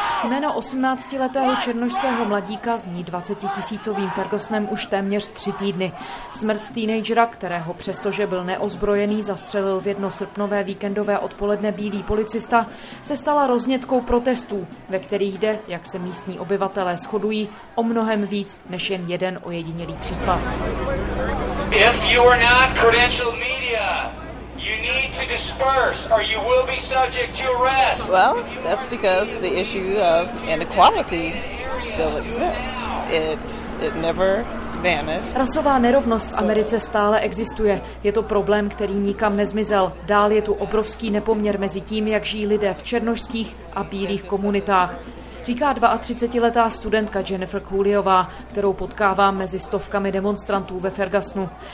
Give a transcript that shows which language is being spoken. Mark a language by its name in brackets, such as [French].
[Czech] Jméno 18-letého černošského mladíka zní 20-tisícovým Fergusonem už téměř 3 týdny. Smrt teenagera, kterého přestože byl neozbrojený, zastřelil v jedno srpnové víkendové odpoledne bílý policista, se stala roznětkou protestů, ve kterých jde, jak se místní obyvatelé shodují, o mnohem víc než jen jeden ojedinělý případ. [English] If you are not credentialed media, you need to disperse or you will be subject to arrest. Well, that's because the issue of inequality still exists. It never vanished. [Czech] Rasová nerovnost v Americe stále existuje. Je to problém, který nikam nezmizel. Dál je tu obrovský nepoměr mezi tím, jak žijí lidé v černošských a bílých komunitách. Říká 32-letá studentka Jennifer Cooleyová, kterou potkávám mezi stovkami demonstrantů ve Fergusonu.